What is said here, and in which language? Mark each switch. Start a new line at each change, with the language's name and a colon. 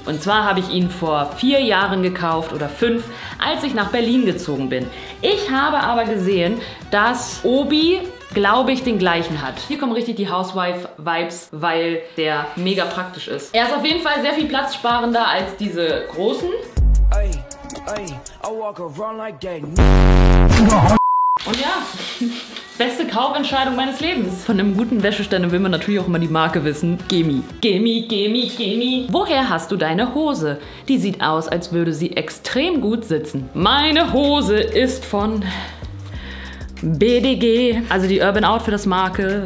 German: Und zwar habe ich ihn vor 4 Jahren gekauft oder 5, als ich nach Berlin gezogen bin. Ich habe aber gesehen, dass Obi, glaube ich, den gleichen hat. Hier kommen richtig die Housewife-Vibes, weil der mega praktisch ist. Er ist auf jeden Fall sehr viel platzsparender als diese großen.
English: Ey, ey, I walk around like gang.
German: Und ja, beste Kaufentscheidung meines Lebens. Von einem guten Wäscheständer will man natürlich auch immer die Marke wissen. Gemi. Gemi, Gemi, Gemi. Woher hast du deine Hose? Die sieht aus, als würde sie extrem gut sitzen. Meine Hose ist von BDG, also die Urban Outfitters Marke.